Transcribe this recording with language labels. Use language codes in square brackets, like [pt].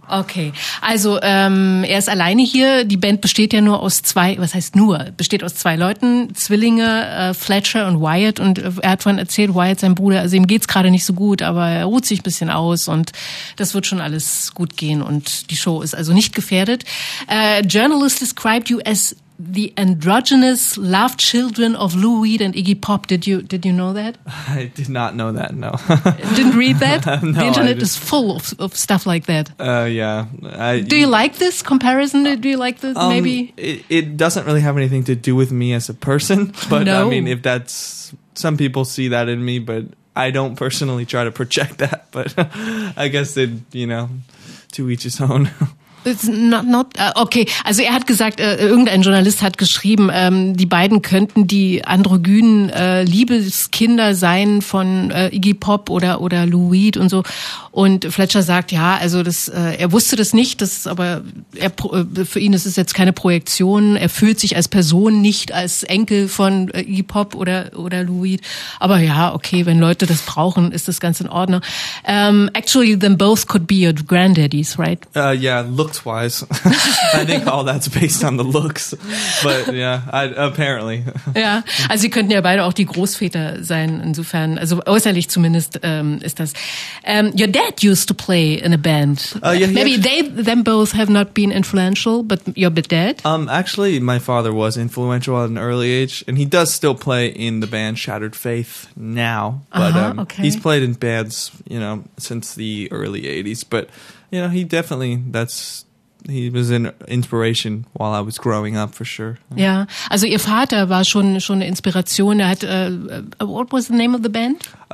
[de] Okay. Also, er ist alleine hier. Die Band besteht ja nur aus zwei, was heißt nur? Besteht aus zwei Leuten. Zwillinge, Fletcher und Wyatt. Und er hat vorhin erzählt, Wyatt, sein Bruder, also ihm geht's gerade nicht so gut, aber er ruht sich ein bisschen aus und das wird schon alles gut gehen und die Show ist also nicht gefährdet. [en] Journalist described you as the androgynous love children of Lou Reed and Iggy Pop. Did you know that? I did not know that, no. Didn't read that? No, the internet is full of stuff like that. Yeah. Do you like this comparison? Do you like this, maybe? It doesn't really have anything to do with me as a person. But no. I mean, if that's... Some people see that in me, but I don't personally try to project that. But I guess it, you know, to each his own. It's not okay. [de] Also er hat gesagt, irgendein Journalist hat geschrieben, die beiden könnten die androgynen Liebeskinder sein von Iggy Pop oder Lou Reed und so. Und Fletcher sagt, ja, also das, er wusste das nicht, das ist aber er, für ihn ist es jetzt keine Projektion. Er fühlt sich als Person nicht als Enkel von Iggy Pop oder Lou Reed. Aber ja, okay, wenn Leute das brauchen, ist das ganz in Ordnung. [en] Actually, them both could be your granddaddies, right? Yeah. Looks wise, I think all that's based on the looks, but yeah, apparently. [de] Ja, also sie könnten ja beide auch die Großväter sein, insofern, also äußerlich zumindest ist das. [en] Your dad used to play in a band. Them both have not been influential, but your dad? Actually, my father was influential at an early age, and he does still play in the band Shattered Faith now, but he's played in bands, you know, since the early 80s, but... You know, he was an inspiration while I was growing up, for sure. [de] Ja, also ihr Vater war schon eine Inspiration. Er hat, [en] what was the name of the band?